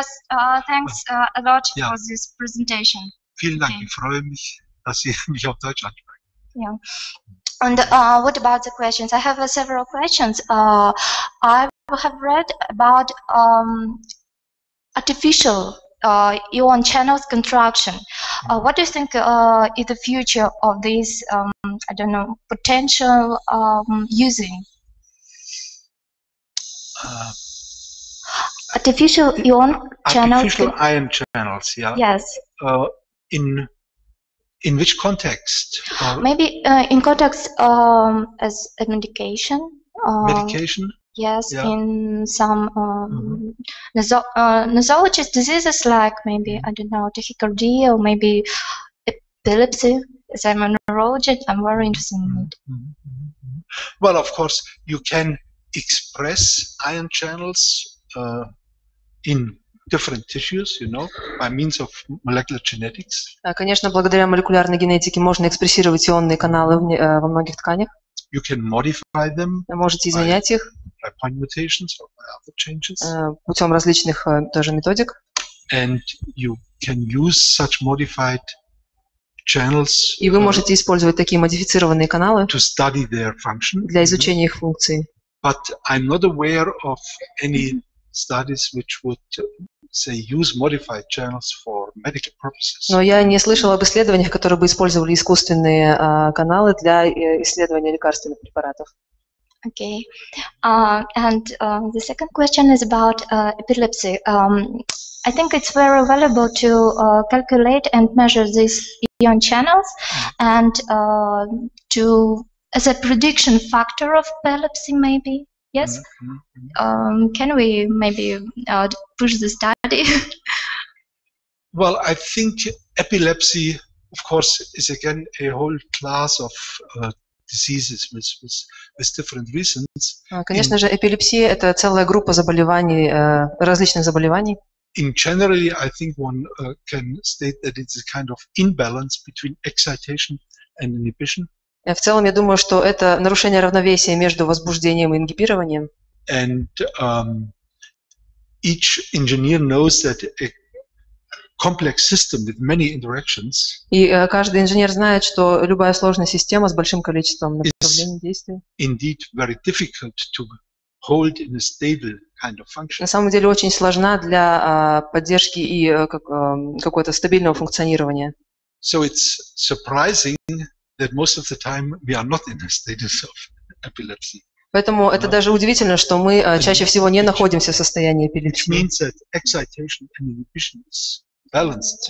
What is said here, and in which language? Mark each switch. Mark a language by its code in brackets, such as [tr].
[en] I just thanks a lot for this presentation. [de] Vielen Dank, okay. Ich freue mich, dass Sie mich auf Deutsch ansprechen. [en] Yeah. And what about the questions? I have several questions. I have read about artificial ion channels contraction. What do you think is the future of this, I don't know, potential using? Artificial ion channels, yeah. Yes. In which context? Maybe in context as a medication. Medication? Yes, yeah. In some nosologic diseases, like maybe, I don't know, tachycardia or maybe epilepsy. As I'm a neurologist, I'm very interested in it. Well, of course, you can express ion channels in different tissues, you know, by means of molecular genetics. [ru] Конечно, благодаря молекулярной генетике можно экспрессировать ионные каналы во многих тканях. [en] You can modify them. [ru] Можете изменять их. [en] By point mutations or by other changes. [ru] Путем различных тоже методик. [en] And you can use such modified channels. [ru] И вы можете использовать такие модифицированные каналы. [en] To study their function. [ru] Для изучения их функции. [en] But I'm not aware of any studies which would say use modified channels for medical purposes. [ru] Но я не слышал об исследованиях, которые бы использовали искусственные каналы для исследования лекарственных препаратов. [en] Okay. The second question is about epilepsy. I think it's very valuable to calculate and measure these ion channels and to as a prediction factor of epilepsy maybe. Yes. Can we maybe push the study? Well, I think epilepsy, of course, is again a whole class of diseases with different reasons. [ru] Конечно же, эпилепсия это целая группа заболеваний различных заболеваний. [en] In generally, I think one can state that it's a kind of imbalance between excitation and inhibition. [ru] В целом, я думаю, что это нарушение равновесия между возбуждением и ингибированием. [en] And each engineer knows that a complex system with many interactions. [ru] И каждый инженер знает, что любая сложная система с большим количеством направлений действия. [en] Indeed, very difficult to hold in a stable kind of function. [ru] На самом деле, очень сложна для поддержки и какого-то стабильного функционирования. [en] So it's surprising that most of the time we are not in a status of epilepsy. [ru] Поэтому это даже удивительно, что мы чаще всего не находимся в состоянии эпилепсии. [en] Which means that excitation and inhibition is balanced.